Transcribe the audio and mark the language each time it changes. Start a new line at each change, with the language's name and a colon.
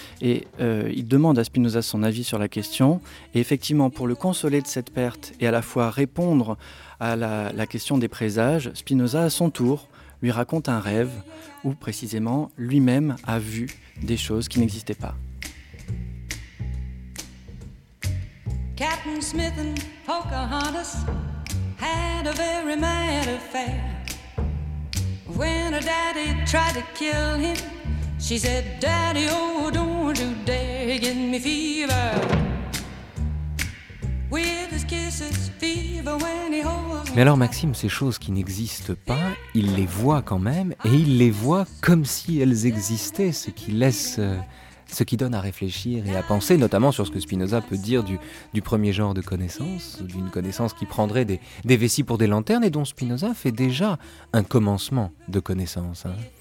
French: Et il demande à Spinoza son avis sur la question. Et effectivement, pour le consoler de cette perte et à la fois répondre à la question des présages, Spinoza, à son tour, lui raconte un rêve où, précisément, lui-même a vu des choses qui n'existaient pas.
English: Captain Smith and Pocahontas had a very mad affair. When her daddy tried to kill him, she said, Daddy, oh, don't you dare give me fever. With his kisses, fever when he holds.
French: Mais alors Maxime, ces choses qui n'existent pas, il les voit quand même, et il les voit comme si elles existaient, ce qui donne à réfléchir et à penser, notamment sur ce que Spinoza peut dire du premier genre de connaissance, d'une connaissance qui prendrait des vessies pour des lanternes et dont Spinoza fait déjà un commencement de connaissance. Hein.